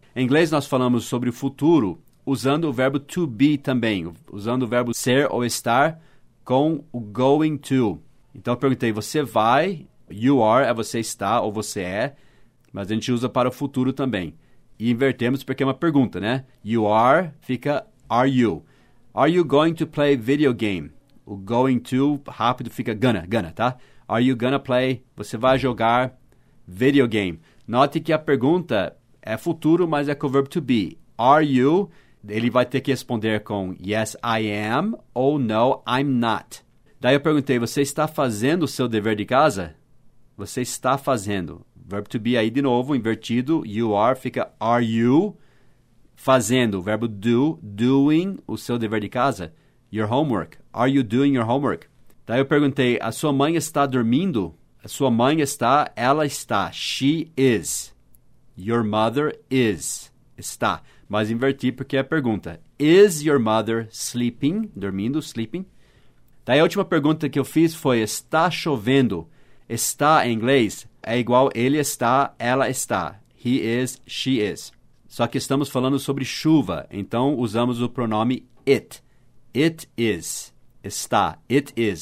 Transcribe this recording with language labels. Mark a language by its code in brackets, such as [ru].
[pt] Em inglês nós falamos sobre o futuro usando o verbo to be também, usando o verbo ser ou estar com o going to. Então eu perguntei, você vai, [en] you are, [pt] é você está ou você é, mas a gente usa para o futuro também. E invertemos porque é uma pergunta, né? [en] You are [pt] fica [en] are you. Are you going to play video game? [pt] O going to rápido fica gonna, tá? [en] Are you gonna play? [pt] Você vai jogar video game. Note que a pergunta é futuro, mas é com o verbo to be. [en] Are you? [pt] Ele vai ter que responder com [en] yes, I am, [pt] ou [en] no, I'm not. [pt] Daí eu perguntei, você está fazendo o seu dever de casa? Você está fazendo. Verbo to be aí de novo, invertido. [en] You are [pt] fica [en] are you [pt] fazendo. Verbo do, doing o seu dever de casa. [en] Your homework. Are you doing your homework? [pt] Daí eu perguntei, a sua mãe está dormindo? A sua mãe está, ela está. [en] She is. Your mother is. [pt] Está. Mas inverti porque é a pergunta. [en] Is your mother sleeping? [pt] Dormindo, sleeping. Daí a última pergunta que eu fiz foi, está chovendo? Está em inglês é igual ele está, ela está. [en] He is, she is. [pt] Só que estamos falando sobre chuva, então usamos o pronome it. [en] It is. [pt] Está. It is.